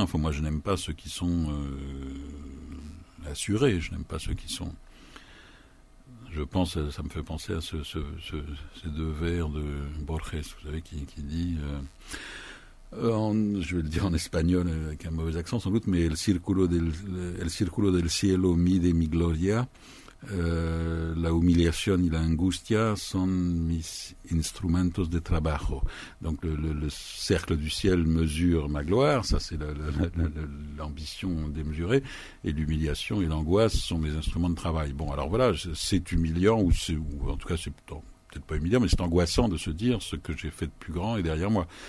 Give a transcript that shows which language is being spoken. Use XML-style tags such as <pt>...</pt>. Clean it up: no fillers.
<fr>Enfin, moi, je n'aime pas ceux qui sont assurés. Je n'aime pas ceux qui sont. Je pense, ça me fait penser à ces deux vers de Borges, vous savez, qui dit. Je vais le dire en espagnol avec un mauvais accent sans doute, mais</fr> <es>el círculo del cielo mide mi gloria. La humiliación y la angustia son mis instrumentos de trabajo.</es> <fr>Donc le cercle du ciel mesure ma gloire, ça c'est l'ambition démesurée, et l'humiliation et l'angoisse sont mes instruments de travail. Bon, alors voilà, c'est humiliant, ou en tout cas c'est peut-être pas humiliant, mais c'est angoissant de se dire ce que j'ai fait de plus grand est derrière moi.</fr>